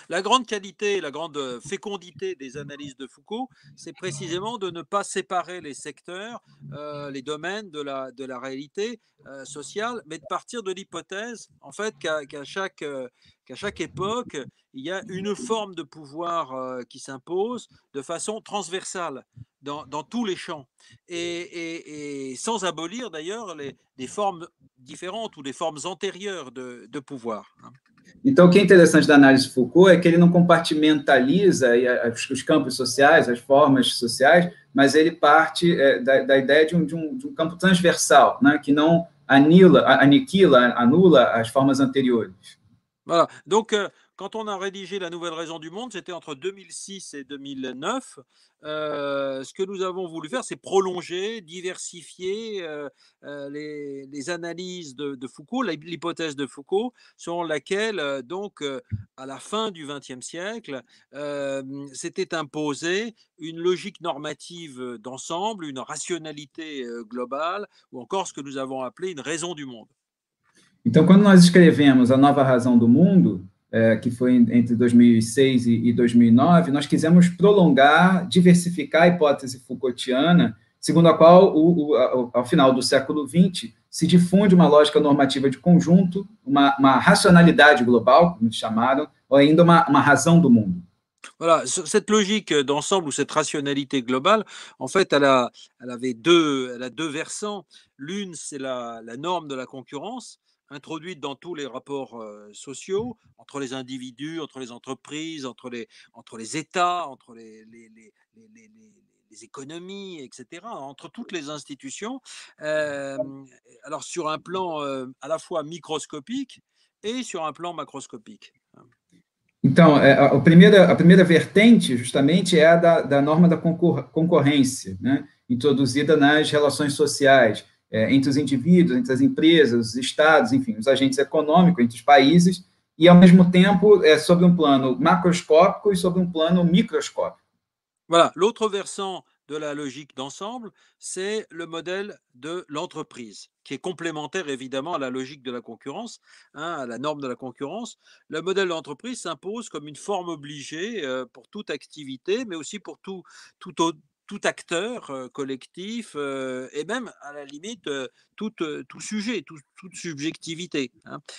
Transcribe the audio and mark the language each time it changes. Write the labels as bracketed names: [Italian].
[French] La grande qualité, la grande fécondité des analyses de Foucault, c'est précisément de ne pas séparer les secteurs, les domaines de la réalité, sociale, mais de partir de l'hypothèse, en fait, qu'à chaque époque, il y a une forme de pouvoir, qui s'impose de façon transversale dans tous les champs et sans abolir d'ailleurs les formes différentes ou les formes antérieures de pouvoir. Hein. [Portuguese] Então, o que é interessante da análise Foucault é que ele não compartimentaliza os campos sociais, as formas sociais, mas ele parte da ideia de um campo transversal, né, que não aniquila, anula as formas anteriores. [French] Voilà. Donc, quand on a rédigé la nouvelle raison du monde, c'était entre 2006 et 2009. Ce que nous avons voulu faire, c'est prolonger, diversifier les analyses de Foucault, l'hypothèse de Foucault, selon laquelle, à la fin du XXe siècle, s'était imposée une logique normative d'ensemble, une rationalité globale, ou encore ce que nous avons appelé une raison du monde. [Portuguese] Então, quando nós escrevemos A Nova Razão do Mundo, que foi entre 2006 e 2009, nós quisemos prolongar, diversificar a hipótese foucaultiana, segundo a qual, ao final do século XX, se difunde uma lógica normativa de conjunto, uma racionalidade global, como eles chamaram, ou ainda uma razão do mundo. [French] Voilà, cette logique d'ensemble ou cette rationalité globale, en fait, elle a deux versants. L'une, c'est la norme de la concurrence, introduite dans tous les rapports sociaux, entre les individus, entre les entreprises, entre les États, entre les économies, etc., entre toutes les institutions. Alors, sur un plan à la fois microscopique et sur un plan macroscopique. [Portuguese] Então, a primeira vertente, justamente, é a da norma da concorrência, né? Introduzida nas relações sociais, entre os indivíduos, entre as empresas, os estados, enfim, os agentes econômicos, entre os países, e, ao mesmo tempo, é sobre um plano macroscópico e sobre um plano microscópico. [French] Voilà, l'autre versant de la logique d'ensemble, c'est le modèle de l'entreprise, qui est complémentaire évidemment à la logique de la concurrence, hein, à la norme de la concurrence. Le modèle d'entreprise s'impose comme une forme obligée pour toute activité, mais aussi pour tout acteur collectif, et même à la limite tout sujet, toute subjectivité. Hein.